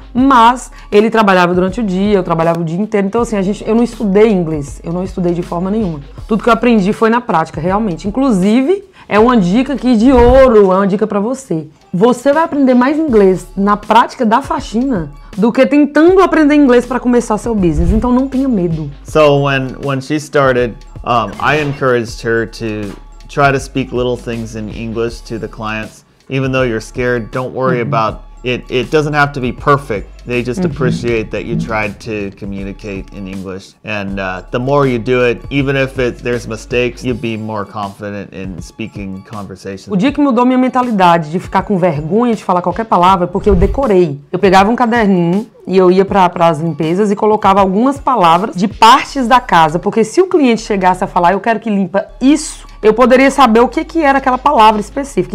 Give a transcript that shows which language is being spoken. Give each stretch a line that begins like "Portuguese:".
Portuguese: Mas ele trabalhava durante o dia, eu trabalhava o dia inteiro. Então, assim, eu não estudei inglês. Eu não estudei de forma nenhuma. Tudo que eu aprendi foi na prática, realmente. Inclusive, é uma dica aqui de ouro. É uma dica pra você. Você vai aprender mais inglês na prática da faxina do que tentando aprender inglês para começar seu business. Então não tenha medo.
English: So when she started, I encouraged her to try to speak little things in English to the clients. Even though you're scared, don't worry about it. It doesn't have to be perfect. They just appreciate that you tried to communicate in English. And the more you do it, even if there's mistakes, you'll be more confident in speaking conversation.
Portuguese: O dia que mudou minha mentalidade de ficar com vergonha de falar qualquer palavra, porque eu decorei. Eu pegava um caderninho e eu ia para as limpezas e colocava algumas palavras de partes da casa. Porque se o cliente chegasse a falar, eu quero que limpa isso, eu poderia saber o que era aquela palavra específica.